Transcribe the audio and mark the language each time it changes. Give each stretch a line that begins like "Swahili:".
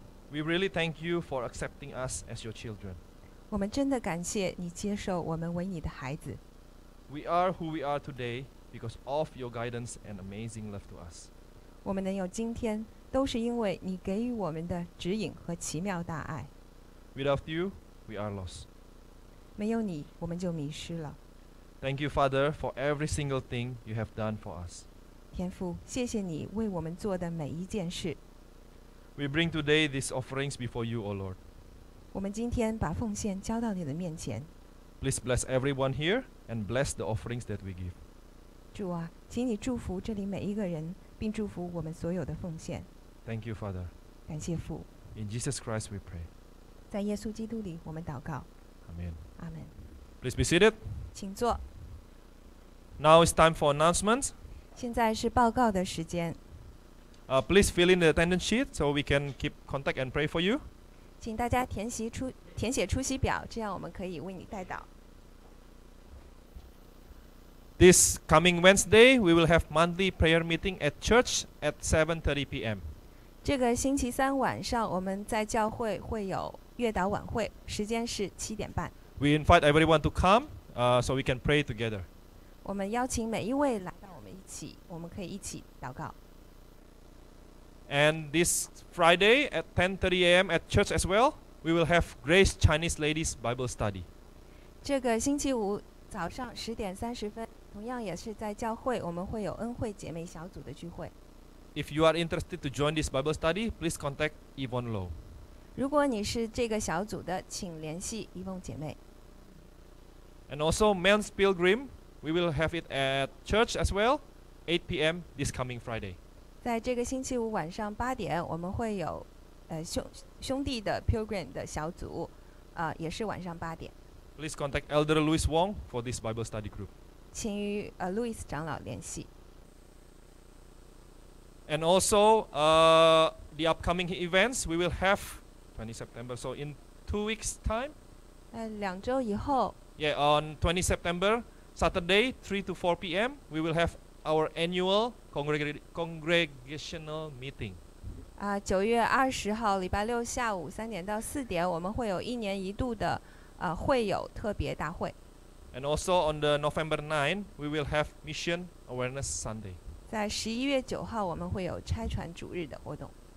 English: We really thank you for accepting us as your children.
Chinese: 我们真的感谢你接受我们为你的孩子。
English: We are who we are today because of your guidance and amazing love to us.
Chinese: 我们能有今天，都是因为你给予我们的指引和奇妙大爱。
English: Without you, we are lost.
Chinese: 没有你，我们就迷失了。
English: Thank you, Father, for every single thing you have done for us.
Chinese: 天父，谢谢你为我们做的每一件事。
English: We bring today these offerings before you, O Lord.
Chinese: 我们今天把奉献交到你的面前。
English: Please bless everyone here and bless the offerings that we give.
Chinese: 主啊，请你祝福这里每一个人，并祝福我们所有的奉献。
English: Thank you, Father.
Chinese: 感谢父。
English: In Jesus Christ we pray.
Chinese: 在耶稣基督里我们祷告。
English: Amen. Amen. Please be seated.
Chinese: 请坐。
English: Now it's time for announcements.
Chinese: 现在是报告的时间。
English: Please fill in the attendance sheet so we can keep contact and pray for you.
Chinese: 请大家填写出席表，这样我们可以为你代祷。
English: This coming Wednesday, we will have monthly prayer meeting at church at 7:30 p.m.
Chinese: 这个星期三晚上，我们在教会会有月祷晚会，时间是七点半。
English: We invite everyone to come, so we can pray together.
Chinese: 我们邀请每一位来到我们一起，我们可以一起祷告。
English: And this Friday at 10:30 a.m. at church as well, we will have Grace Chinese Ladies Bible Study.
Chinese: 这个星期五早上十点三十分，同样也是在教会，我们会有恩惠姐妹小组的聚会。
English: If you are interested to join this Bible study, please contact Yvonne Low.
Chinese: 如果你是这个小组的，请联系 Yvonne 姐妹。
English: And also men's pilgrim, we will have it at church as well, 8 p.m. this coming Friday.
Chinese: 在这个星期五晚上八点，我们会有兄弟的 pilgrim 的小组，也是晚上八点。
English: Please contact Elder Louis Wong for this Bible study group.
Chinese: 请与Louis 长老联系。
English: And also, the upcoming events we will have 20 September. So in 2 weeks' time.
Chinese: 两周以后。
English: Yeah, on 20 September, Saturday, 3 to 4 p.m. we will have our annual congregational meeting.
Chinese: 九月二十号礼拜六下午三点到四点，我们会有一年一度的会友特别大会。
English: And also on the November 9, we will have Mission Awareness Sunday.
Chinese: 在十一月九号，我们会有拆船主日的活动。